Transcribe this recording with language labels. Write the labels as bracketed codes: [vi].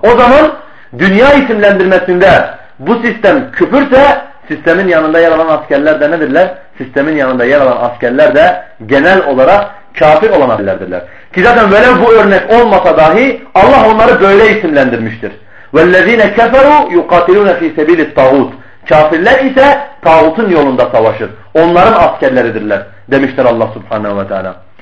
[tr] O zaman dünya isimlendirmesinde bu sistem küfürse sistemin yanında yer alan askerler de nedirler? Sistemin yanında yer alan askerler de genel olarak kafir olanlardırlar. Ki zaten böyle bu örnek olmasa dahi Allah onları böyle isimlendirmiştir. [ar] وَالَّذ۪ينَ كَفَرُوا يُقَاتِلُونَ ف۪ي سَب۪يلِ الطَّغُوتِ [tr] Kafirler ise tağutun yolunda savaşır. Onların askerleridirler demişler Allah Subhanahu ve Teala.